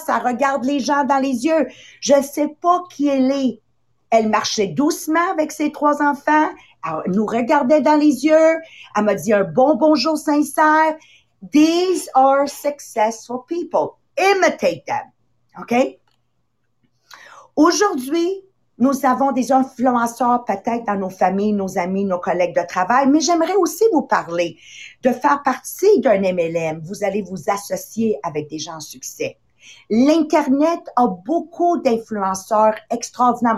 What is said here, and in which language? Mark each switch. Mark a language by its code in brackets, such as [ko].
[fr] Ça regarde les gens dans les yeux. Je ne sais pas qui elle est. Elle marchait doucement avec ses trois enfants. Elle nous regardait dans les yeux. Elle m'a dit un bon bonjour sincère. [en] These are successful people. Imitate them. OK? [fr] Aujourd'hui, nous avons des influenceurs peut-être dans nos familles, nos amis, nos collègues de travail, mais j'aimerais aussi vous parler de faire partie d'un MLM. Vous allez vous associer avec des gens en succès. L'Internet a beaucoup d'influenceurs extraordinaires.